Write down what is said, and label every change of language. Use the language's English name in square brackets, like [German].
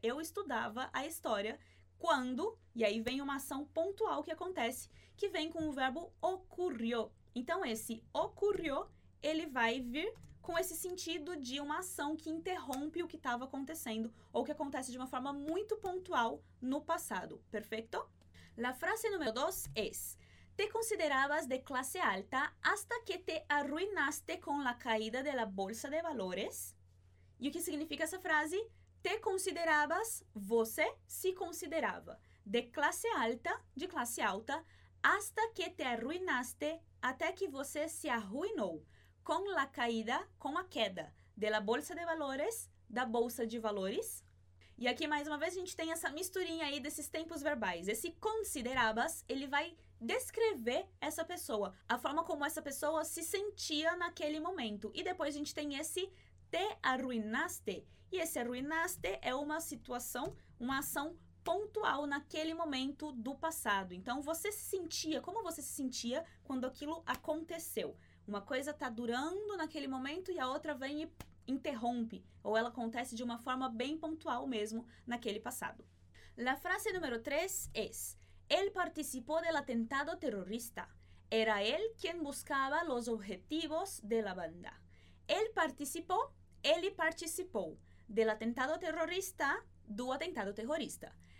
[Portuguese] Eu estudava a história quando... E aí vem uma ação pontual que acontece, que vem com o verbo ocurrió. Então, esse ocurrió, ele vai vir com esse sentido de uma ação que interrompe o que estava acontecendo ou que acontece de uma forma muito pontual no passado. Perfeito? [Spanish] La frase número 2 es... Te considerabas de clase alta hasta que te arruinaste con la caída de la bolsa de valores. [Portuguese] E o que significa essa frase? Te considerabas, você se considerava, de clase alta, de classe alta, hasta que te arruinaste, até que você se arruinou, con la caída, com a queda, de la bolsa de valores, da bolsa de valores. E aqui, mais uma vez, a gente tem essa misturinha aí desses tempos verbais. Esse considerabas, ele vai descrever essa pessoa, a forma como essa pessoa se sentia naquele momento. E depois a gente tem esse te arruinaste. E esse arruinaste é uma situação, uma ação pontual naquele momento do passado. Então, você se sentia, como você se sentia quando aquilo aconteceu? Uma coisa está durando naquele momento e a outra vem e interrompe, ou ela acontece de uma forma bem pontual mesmo naquele passado. [Spanish] La frase número 3 es: él participó del atentado terrorista. Era él quien buscaba los objetivos de la banda. [Portuguese] Ele participou [Spanish] del atentado terrorista, [Portuguese] do atentado terrorista.